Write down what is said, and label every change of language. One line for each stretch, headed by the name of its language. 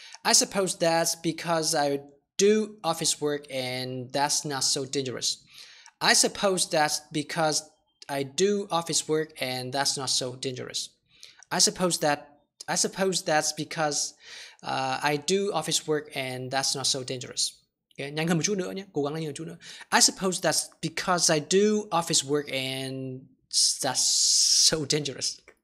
English: I suppose that's because I do office work and that's not so dangerous. I suppose that's because I do office work and that's not so dangerous. I suppose that's because I do office work and that's not so dangerous.
Vietnamese: Okay, nhanh hơn một chút nữa nhé, cố gắng nhanh hơn một chút nữa.
English: I suppose that's because I do office work and that's so dangerous.